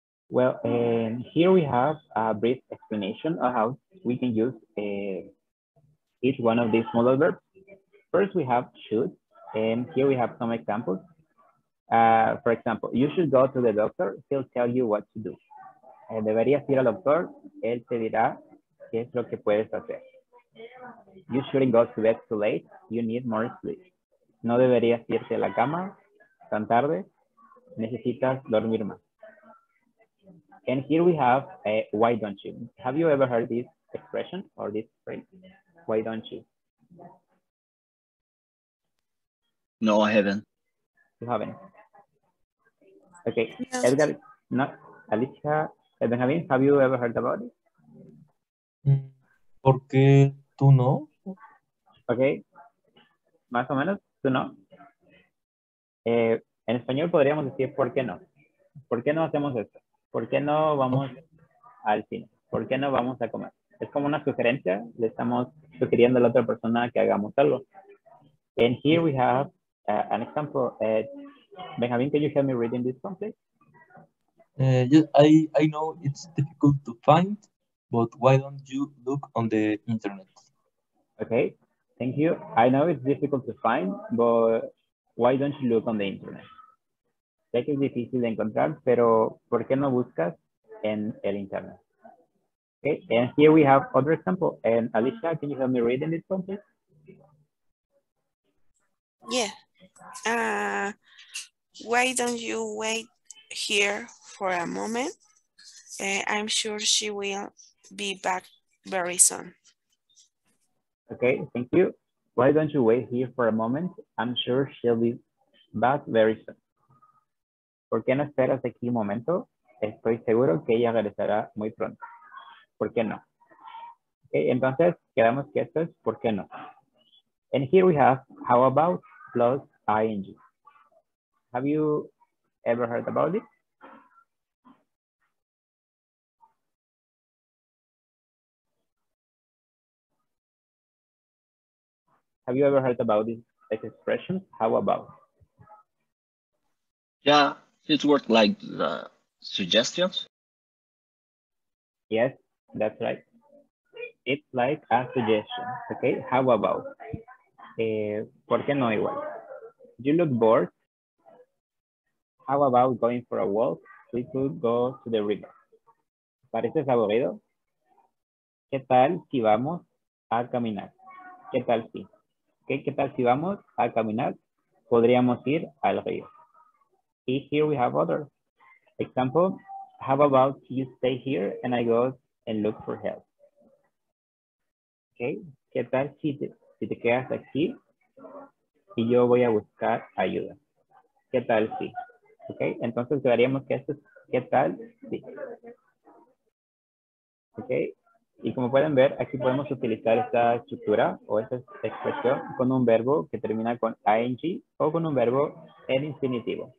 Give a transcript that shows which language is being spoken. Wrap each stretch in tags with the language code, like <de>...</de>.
<en>Well, here we have a brief explanation of how we can use each one of these modal verbs. First, we have should, and here we have some examples. For example, you should go to the doctor, he'll tell you what to do.</en> <es>Deberías ir al doctor, él te dirá qué es lo que puedes hacer.</es> <en>You shouldn't go to bed too late, you need more sleep.</en> <es>No deberías irte a la cama tan tarde, necesitas dormir más.</es> <en>And here we have why don't you. Have you ever heard this expression or this phrase? Why don't you? No, I haven't. You haven't. Okay. No. Edgar, not Alicia, Benjamin, have you ever heard about it?</en> <es>¿Por qué tú no? Okay. Más o menos, tú no. En español podríamos decir ¿por qué no? ¿Por qué no hacemos esto? ¿Por qué no vamos al cine? ¿Por qué no vamos a comer? Es como una sugerencia. Le estamos sugiriendo a la otra persona que hagamos algo.</es> <en>And here we have an example. Benjamin, can you help me reading this one, please? Yes, I know it's difficult to find, but why don't you look on the internet? Okay, thank you. I know it's difficult to find, but why don't you look on the internet?</en> <es>Sé que es difícil de encontrar, pero ¿por qué no buscas en el internet?</es> <en>Okay, and here we have other example. And Alicia, can you help me read in this one, please? Yeah. Why don't you wait here for a moment? I'm sure she will be back very soon. Okay, thank you. Why don't you wait here for a moment? I'm sure she'll be back very soon.</en> <es>¿Por qué no esperas aquí un momento? Estoy seguro que ella regresará muy pronto. ¿Por qué no? Okay, entonces quedamos que esto es ¿por qué no?</es> <en>And here we have how about plus ing. Have you ever heard about it? Have you ever heard about this expression? How about? Yeah, it works like the suggestions. Yes, that's right. It's like a suggestion. Okay, how about?</en> <es>¿Por qué no igual?</es> <en>You look bored. How about going for a walk? We could go to the river.</en> <es>¿Pareces aburrido?</es> <en>¿Qué tal si vamos a caminar? ¿Qué tal si? Okay, ¿qué tal si vamos a caminar? Podríamos ir al río. Y here we have others. Example, how about you stay here and I go and look for help?</en> <es>Okay, ¿qué tal si te, si te quedas aquí y yo voy a buscar ayuda? ¿Qué tal si? Okay, entonces quedaríamos que esto es ¿qué tal si? Okay. Y como pueden ver, aquí podemos utilizar esta estructura o esta expresión con un verbo que termina con ing o con un verbo en infinitivo.</es>